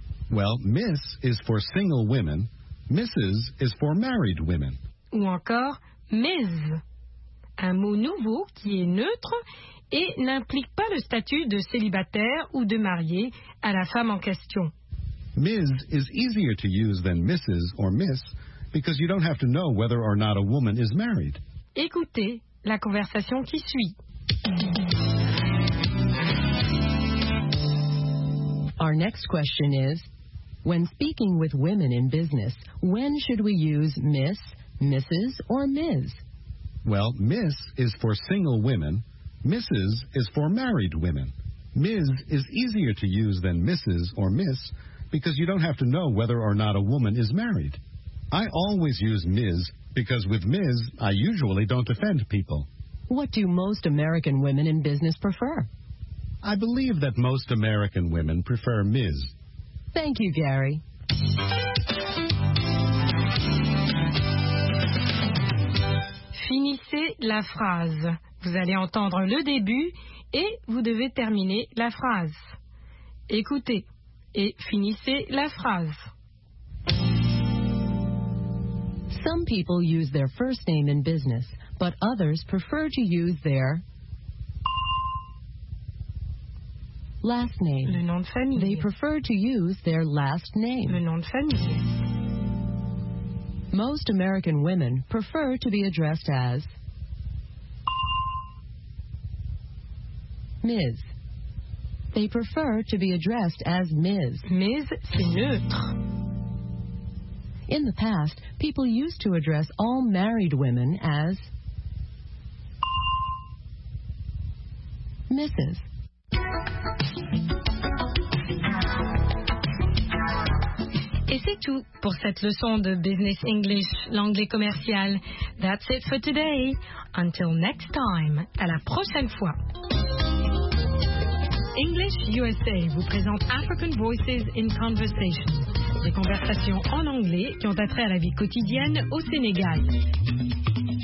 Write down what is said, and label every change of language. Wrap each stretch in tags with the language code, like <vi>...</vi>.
<en>Well, Miss is for single women. Mrs. is for married women.</en> <fr>Ou encore, Ms. Un mot nouveau qui est neutre et n'implique pas le statut de célibataire ou de marié à la femme en question.</fr> <en>Ms. is easier to use than Mrs. or Miss because you don't have to know whether or not a woman is married.</en> <fr>Écoutez la conversation qui suit.</fr> <en>Our next question is, when speaking with women in business, when should we use Miss, Mrs. or Ms.? Well, Miss is for single women. Mrs. is for married women. Ms. is easier to use than Mrs. or Miss because you don't have to know whether or not a woman is married. I always use Ms. because with Ms. I usually don't offend people. What do most American women in business prefer? I believe that most American women prefer Ms. Thank you, Gary.</en> <fr>Finissez la phrase. Vous allez entendre le début et vous devez terminer la phrase. Écoutez et finissez la phrase.</fr> <en>Some people use their first name in business, but others prefer to use their last name.</en> <fr>Le nom de famille.</fr> <en>They prefer to use their last name.</en> <fr>Le nom de famille.</fr> <en>Most American women prefer to be addressed as Ms. They prefer to be addressed as Ms.</en> <fr>Ms, c'est neutre.</fr> <en>In the past, people used to address all married women as Mrs.</en> <fr>Et c'est tout pour cette leçon de Business English, l'anglais commercial.</fr> <en>That's it for today. Until next time,</en> <fr>à la prochaine fois. English USA vous présente African Voices in Conversation, des conversations en anglais qui ont attrait à la vie quotidienne au Sénégal.</fr>